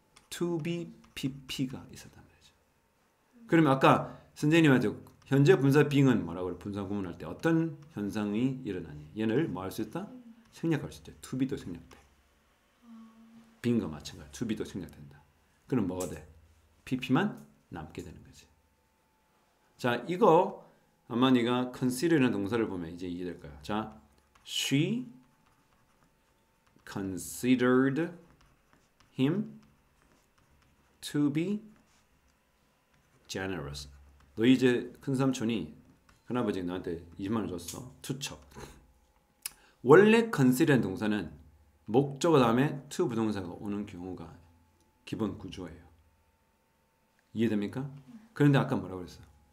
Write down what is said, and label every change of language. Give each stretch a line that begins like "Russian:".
Korean: to be pp가 있었단 말이죠. 그러면 아까 선생님한테 현재 분사 being은 뭐라고 분사 구문할 때 어떤 현상이 일어나니? 얘를 뭐 할 수 있다? 생략할 수 있다. to be도 생략돼. being과 마찬가지. to be도 생략된다. 그럼 뭐가 돼? pp만 남게 되는 거지. 자, 이거 아마 네가 consider라는 동사를 보면 이제 이해될 거야.
English: 자, she considered him to be generous.
Korean: 너 이제 큰 삼촌이 큰아버지 너한테 20만 원 줬어. 투척. 원래 consider 동사는 목적어 다음에 to 부동사가 오는 경우가 기본 구조예요. 이해됩니까? 그런데 아까 뭐라고 그랬어?